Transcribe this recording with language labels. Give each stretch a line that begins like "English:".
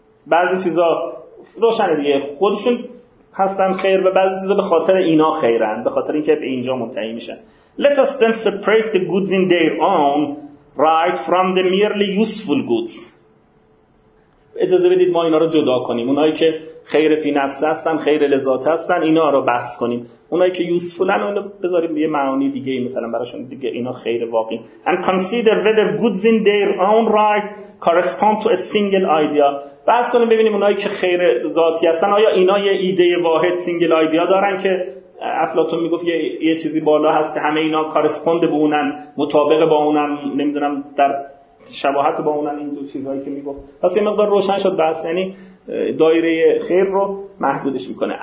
Persian: بعضی چیزا روشن دیگه خودشون هستن خیر و بعضی چیزا به خاطر اینا خیرن، به خاطر اینکه به اینجا منتهی میشن.
English: let us then separate the goods in their own right from the merely useful goods.
Persian: اجازه بدید ما اینا رو جدا کنیم، اونایی که خیر فی نفسه هستن، خیر لذات هستن، اینا رو بحث کنیم، اونایی که یوسفولن اونو بذاریم یه معانی دیگه مثلا براشون دیگه، اینا خیر واقعی.
English: and consider whether goods in their own right correspond to a single idea.
Persian: بحث کنیم ببینیم اونایی که خیر ذاتی هستن آیا اینا یه ایده واحد
English: single idea
Persian: دارن که افلاطون میگفت یه چیزی بالا هست که همه اینا کارسپوند با اونن، مطابق با اونن، نمیدونم در شباهت با اونن، این دو چیزهایی که میگفت. پس یه مقدار روشن شد بس، یعنی دایره خیر رو محدودش میکنه.